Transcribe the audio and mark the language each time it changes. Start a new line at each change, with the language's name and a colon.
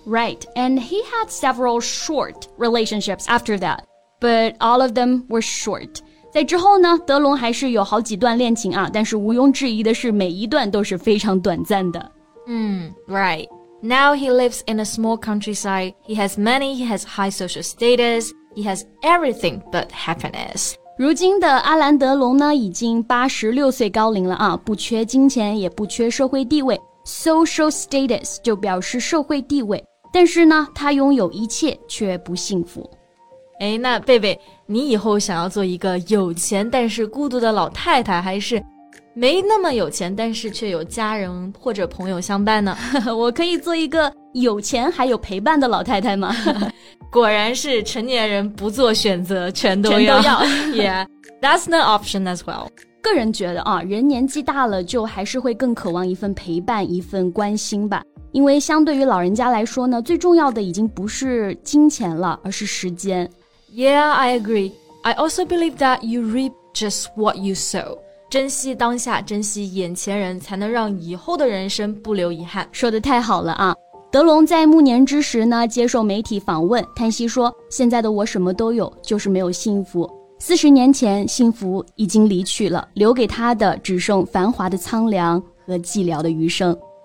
English: Right, and he had several short relationships after that, but all of them were short.
Chinese: 在之后呢，德龙还是有好几段恋情啊，但是毋庸置疑的是每一段都是非常短暂的。
English: Right. Now he lives in a small countryside. He has money, he has high social status, he has everything but happiness.
Chinese: 如今的阿兰德龙呢，已经86岁高龄了啊，不缺金钱，也不缺社会地位。
English: Social status
Chinese: 就表示社会地位，但是呢，他拥有一切却不幸福。哎，那贝贝，你以后想要做一个有钱但是孤独的老太太，还是没那么有钱但是却有家人或者朋友相伴呢？我可以做一个有钱还有陪伴的老太太吗？果然是成年人不做选择全都要。
English: Yeah, that's no option as well.
Chinese: 个人觉得啊，人年纪大了就还是会更渴望一份陪伴，一份关心吧。因为相对于老人家来说呢，最重要的已经不是金钱了，而是时间。
English: Yeah, I agree. I also believe that you reap just what you sow.
Chinese: 珍惜当下，珍惜眼前人，才能让以后的人生不留遗憾。说得太好了啊。德龙在暮年之时呢，接受媒体访问，叹息说，现在的我什么都有，就是没有幸福。 40年前，幸福已经离去了，留给他的只剩繁华的苍凉和寂寥的余生。